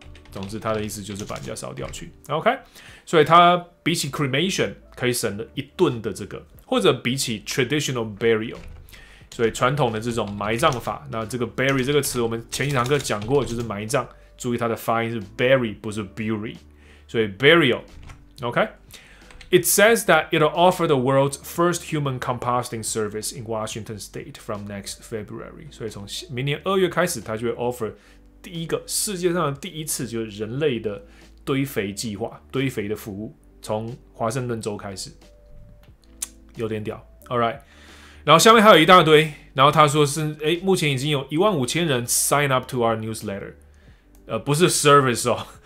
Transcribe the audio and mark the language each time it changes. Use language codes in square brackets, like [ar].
[zh] 总之，它的意思就是把人家烧掉去。 OK， 所以它比起 cremation 可以省了一吨的这个，或者比起 traditional burial， 所以传统的这种埋葬法。那这个 bury 这个词，我们前几堂课讲过，就是埋葬。注意它的发音是 bury， 不是 bury， 所以 burial。OK。 [en] It says that it'll offer the world's first human composting service in Washington State from next February. [zh] 所以从明年二月开始，它就会 offer 第一个世界上的第一次就是人类的堆肥计划、堆肥的服务，从华盛顿州开始，有点屌。 All right， 然后下面还有一大堆，然后他说是目前已经有15000人 [en] sign up to our newsletter， [zh] 不是 service 哦。